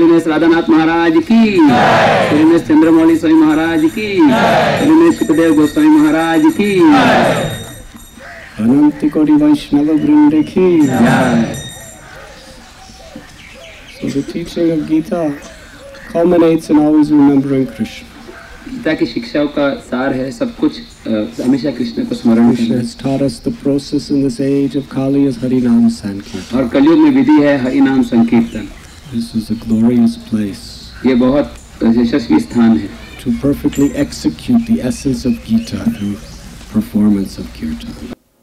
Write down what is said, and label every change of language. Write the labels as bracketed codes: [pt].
[hi] राधानाथ महाराज की, श्री में चंद्रमौली स्वामी महाराज की, श्री में सुखदेव गोस्वामी महाराज की, अनंत कोटि वैष्णव वृंद की। [en] So the teaching of Gita culminates in always remembering Krishna. [hi] Gita की शिक्षाओं का सार है सब कुछ हमेशा कृष्ण को स्मरण करना। [en] Krishna taught us the process in this age of Kali is Hari Nam Sankirtan. [hi] और कलयुग में विधि है हरि नाम संकीर्तन। [en] This is a glorious place. [hi] ये बहुत यशस्वी स्थान है। [en] To perfectly execute the essence of Gita through performance of kirtan.